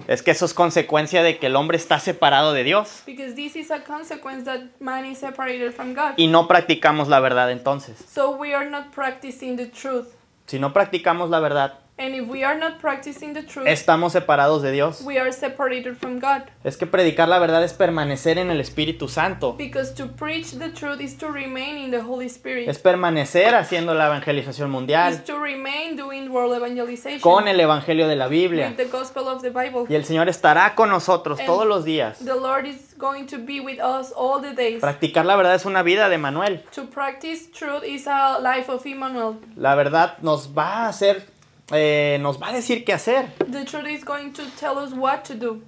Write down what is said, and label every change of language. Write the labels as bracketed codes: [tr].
[es] Es que eso es consecuencia de que el hombre está separado de Dios. [en] Because this is a consequence that man is separated from God. [es] Y no practicamos la verdad entonces. [en] So we are not practicing the truth. [es] Si no practicamos la verdad. [en] And if we are not practicing the truth. [es] Estamos separados de Dios. [en] We are separated from God. [es] Es que predicar la verdad es permanecer en el Espíritu Santo. [en] Because to preach the truth is to remain in the Holy Spirit. [es] Es permanecer haciendo la evangelización mundial. [en] Is to remain doing world evangelization. [es] Con el evangelio de la Biblia. [en] With the gospel of the Bible. [es] Y el Señor estará con nosotros [en] and [es] todos los días. [en] The Lord is going to be with us all the days. [es] Practicar la verdad es una vida de Emmanuel. [en] To practice truth is a life of Emmanuel. [es] La verdad nos va a hacer nos va a decir qué hacer. [en] The truth is going to tell us what to do.